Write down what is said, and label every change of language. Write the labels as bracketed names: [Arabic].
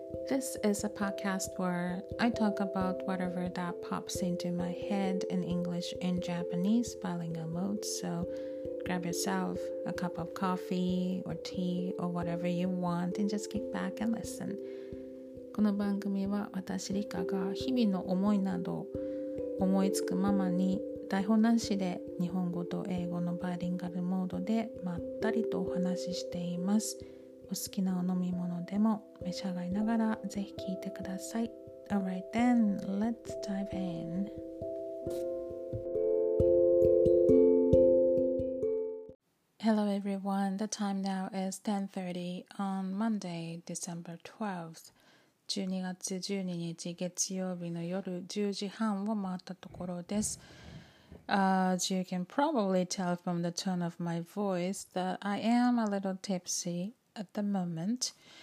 [English] This is a podcast where I talk about whatever that pops into my head in English and Japanese bilingual mode. So grab yourself a cup of coffee or tea or whatever you want and just kick back and listen. [Japanese] この番組は私リカが日々の思いなどを思いつくままに台本なしで日本語と英語のバイリンガルモードでまったりとお話ししています。お好きなお飲み物でも召し上がりながらぜひ聞いてください。 [English] Alright then, let's dive in. Hello everyone, the time now is 10:30 on Monday, December 12th. [Japanese] 12月12日月曜日の夜10時半を回ったところです。 [English] As you can probably tell from the tone of my voice that I am a little tipsy at the moment.